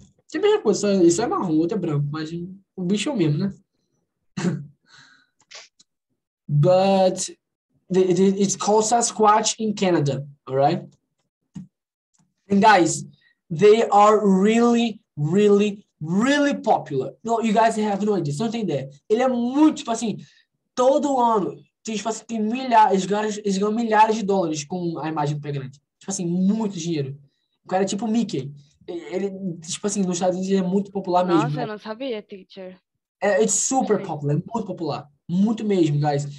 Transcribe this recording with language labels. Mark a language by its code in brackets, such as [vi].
[pt] Que mesma coisa, só, isso é marrom, outro é branco, mas o bicho é o mesmo, né? [en] But it's called Sasquatch in Canada, all right? And guys, they are really, really, really popular. No, you guys have no idea, something there. [pt] Ele é muito, tipo assim, todo ano, tipo assim, tem milhares, eles ganham milhares de dólares com a imagem do pé grande. Tipo assim, muito dinheiro. O cara é tipo Mickey. Ele, tipo assim, nos Estados Unidos é muito popular mesmo. Nossa, eu não sabia, teacher. É, [en] it's super popular, [pt] é muito popular. [en] Muito mesmo, guys.